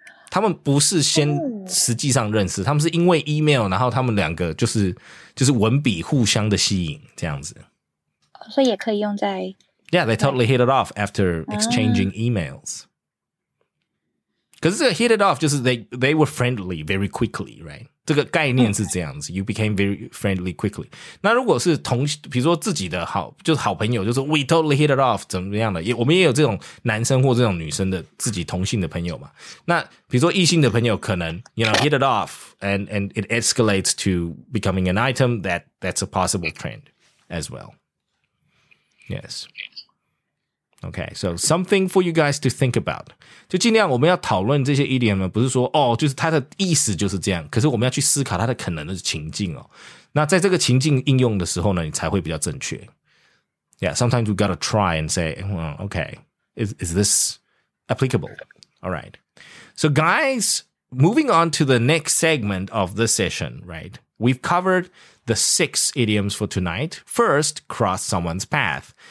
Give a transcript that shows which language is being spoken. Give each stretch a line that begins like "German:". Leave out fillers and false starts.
Chinese: 他们不是先实际上认识、他们是因为 email, 然后他们两个就是文笔互相的吸引这样子。所以也可以用在
English: Yeah, they totally hit it off after exchanging emails.
Chinese: 可是这个
English: hit it off 就是 they were friendly very quickly, right?
Chinese: 这个概念是这样子、
English: you became very friendly quickly.
Chinese: 那如果是同比如说自己的好就是好朋友就是
English: we totally hit it off,
Chinese: 怎么样的也我们也有这种男生或这种女生的自己同性的朋友嘛。
English: 那比如说异性的朋友可能 you know, hit it off, and it escalates to becoming an item, that's a possible trend as well. Yes. Okay, so something for you guys to think about.
Chinese: 就尽量我们要讨论这些 idiom 不是说哦，就是它的意思就是这样，可是我们要去思考它的可能的情境哦。那在这个情境应用的时候呢，你才会比较正确。
English: Yeah, sometimes you gotta try and say, well, okay, is this applicable? All right. So guys, moving on to the next segment of this session, right? We've covered the 6 idioms for tonight. First, cross someone's path.